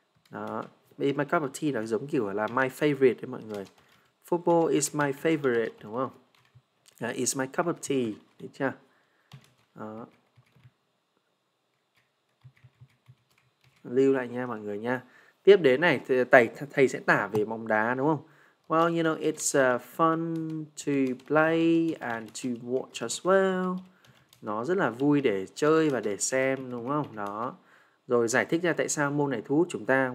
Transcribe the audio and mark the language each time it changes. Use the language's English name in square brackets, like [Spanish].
[Vietnamese] Đó, [English] is my cup of tea [Vietnamese] nó giống kiểu là [English] my favorite [Vietnamese] đấy mọi người. [English] Football is my favorite, [Vietnamese] đúng không? [English] Is my cup of tea, [Vietnamese] được chưa? Đó. Lưu lại nha mọi người nha. Tiếp đến này, thầy sẽ tả về bóng đá đúng không? [English] Well, you know, it's fun to play and to watch as well. [Vietnamese] Nó rất là vui để chơi và để xem đúng không? Đó. Rồi giải thích ra tại sao môn này thu hút chúng ta.